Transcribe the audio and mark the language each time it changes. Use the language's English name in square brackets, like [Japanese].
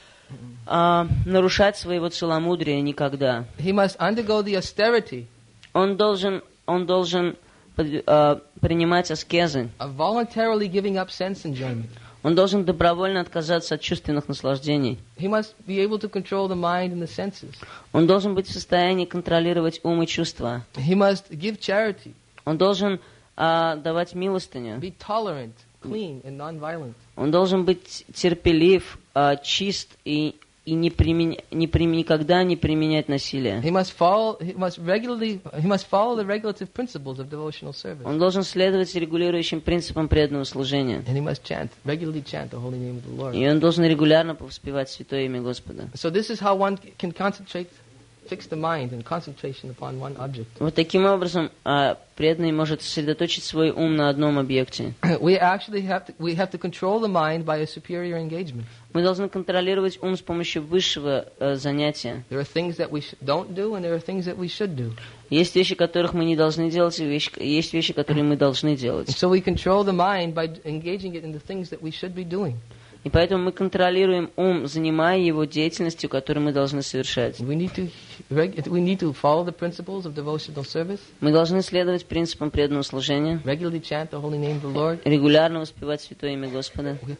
[Russian] И не нарушать своего целомудрия никогда. [English] He must undergo the austerity. [Russian] Он должен принимать аскезы. [English] Voluntarily giving up sense enjoyment. [Russian] Он должен добровольно отказаться от чувственных наслаждений. [English] He must be able to control the mind and the senses. [Russian] Он должен быть в состоянии контролировать ум и чувства. [English] He must give charity. [Russian] Он должен давать милостыню. [English] Be tolerant, clean and non-violent. [Russian] Он должен быть терпелив, чист и никогда не применять насилие. [English] He must follow the regulative principles of devotional service. [Russian] Он должен следовать регулирующим принципам преданного служения. [English] And he must regularly chant the holy name of the Lord. [Russian] И он должен регулярно повспевать святое имя Господа. [English] So this is how one can concentrate, fix the mind and concentration upon one object. [Russian] Вот таким образом преданный может сосредоточить свой ум на одном объекте. [English] We have to control the mind by a superior engagement. [Russian] Мы должны контролировать ум с помощью высшего занятия. [English] There are things that we don't do and there are things that we should do. [Russian] Есть вещи, которых мы не должны делать, и есть вещи, которые мы должны делать. [English] So we control the mind by engaging it in the things that we should be doing. [Russian] И поэтому мы контролируем ум, занимая его деятельностью, которую мы должны совершать. Мы должны следовать принципам преданного служения. Регулярно воспевать святое имя Господа.